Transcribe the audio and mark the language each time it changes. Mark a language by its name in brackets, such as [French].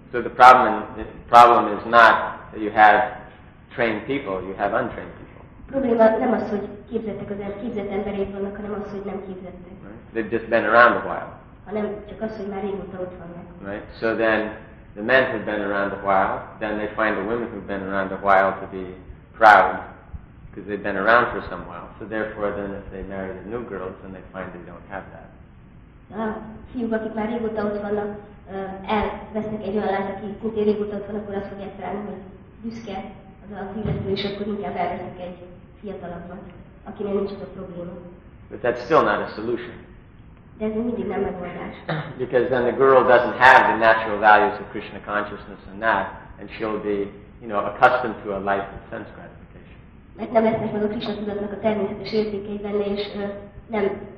[English] So the problem is not that you have trained people, you have untrained people. [Hungarian] Probléma nem az, hogy képzett embereik vannak, hanem az, hogy nem képzettek. [English] Right? They've just been around a while. [Hungarian] Hanem csak az, hogy már régóta ott vannak. [English] Right? So then the men who've been around a while, then they find the women who've been around a while to be proud because they've been around for some while. So therefore, then if they marry the new girls, then they find they don't have that. [Hungarian] A fiúk, akik már régóta ott vannak, elvesznek egy olyan lányt, aki kutya régóta ott van, akkor azt fogják találni, hogy büszke az a fiúk, és akkor inkább elvesznek egy fiatalabbat, akinek nincs ott a probléma. [English] But that's still not a solution. [Hungarian] De ez mindig nem megoldás. [English] Because then the girl doesn't have the natural values of Krishna consciousness and that, and she'll be, you know, accustomed to a life of sense gratification. [Hungarian] Mert nem lesznek meg a Krishna tudatnak a természetes értékeiben, és nem